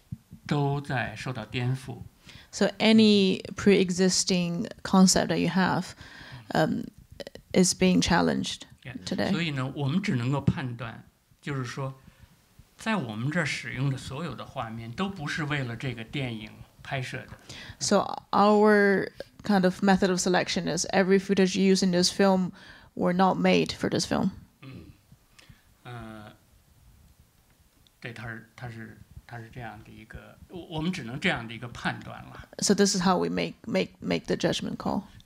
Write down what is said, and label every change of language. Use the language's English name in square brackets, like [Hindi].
[Chinese] 所以说，在今天，其实是任何的旧有的概念，其实都在受到颠覆。So [English] any pre-existing concept that you have, is being challenged today. [Chinese] 所以呢，我们只能够判断，就是说。在我们这使用的所有的画面都不是为了这个电影拍摄的。So [English] our kind of method of selection is every footage used in this film were not made for this film. [Chinese] 对，它是这样的一个，我们只能这样的一个判断了。So [English] this is how we make the judgment call.